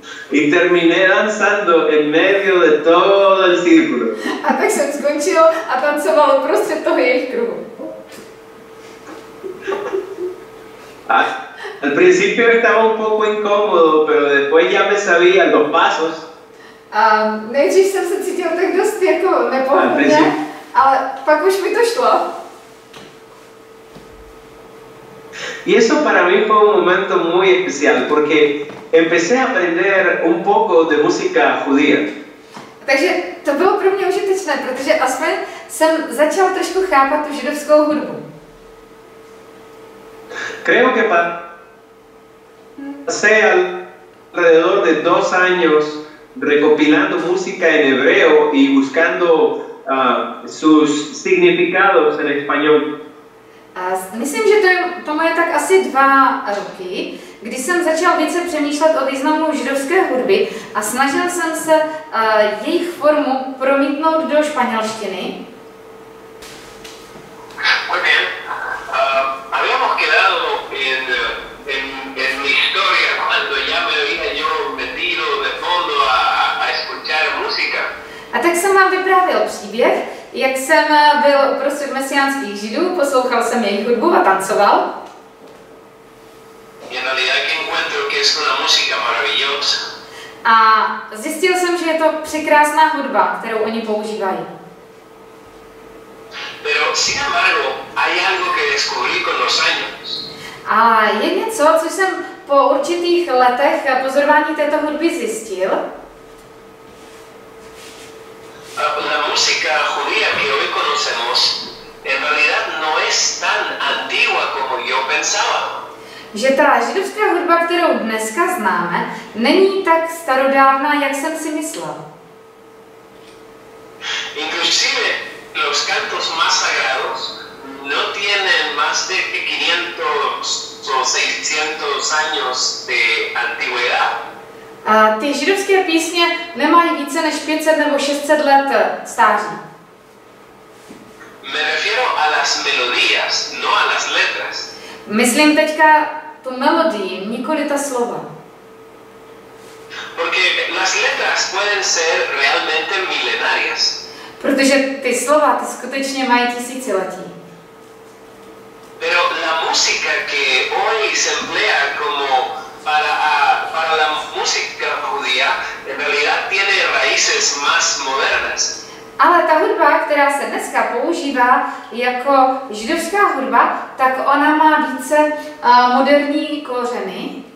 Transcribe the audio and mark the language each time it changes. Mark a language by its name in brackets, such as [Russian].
[Spanish] Y terminé danzando en medio de todo el círculo. [Czech] A tak jsem skončil a tancoval uprostřed toho jejich kruhu. [Spanish] Al principio estaba un poco incómodo, pero después ya me sabía los pasos. [Czech] Nejdřív jsem se cítil tak dost jako nepohodlně, ale pak už mi to šlo. [Spanish] Y eso para mí fue un momento muy especial, porque empecé a aprender un poco de música judía. [Czech] Takže to bylo pro mě užitečné, protože aspoň jsem začal trošku chápat tu židovskou hudbu. [Spanish] Creo que pasé alrededor de 2 años recopilando música en hebreo y buscando sus significados en español. [Czech] Myslím, že to moje tak asi 2 roky, kdy jsem začal více přemýšlet o významu židovské hudby a snažil jsem se jejich formu promítnout do španělštiny. [Spanish] Muy bien. Habíamos quedado en mi historia cuando ya me había yo metido de fondo a escuchar música. [Czech] A tak jsem vám vyprávěl příběh, jak jsem byl uprostřed mesiánských židů, poslouchal jsem jejich hudbu a tancoval. [Spanish] Y en realidad que encuentro que es una música maravillosa. [Czech] A zjistil jsem, že je to překrásná hudba, kterou oni používají. [Spanish] Pero sin embargo, hay algo que descubrí con los años. [Czech] A je něco, co jsem po určitých letech pozorování této hudby zjistil. [Spanish] La música judía que hoy conocemos en realidad no es tan antigua como yo pensaba. [Czech] Že ta židovská hudba, kterou dneska známe, není tak starodávná, jak jsem si myslel. [Spanish] Inclusive los cantos más sagrados no tienen más de 500 o 600 años de antigüedad. [Czech] A ty židovské písně nemají více než 500 nebo 600 let stáří. [Spanish] Me refiero a las melodías, no a las letras. [Czech] Myslím teďka tu melodii, nikoli ta slova. [Spanish] Porque las letras pueden ser realmente milenarias. [Czech] Protože ty slova, ty skutečně mají tisíciletí. [Spanish] Pero la música música que hoy se emplea como para la música judía en realidad tiene raíces más modernas. [Czech] Ale ta hudba, která se dneska používá jako židovská hudba, tak ona má více moderní kořeny.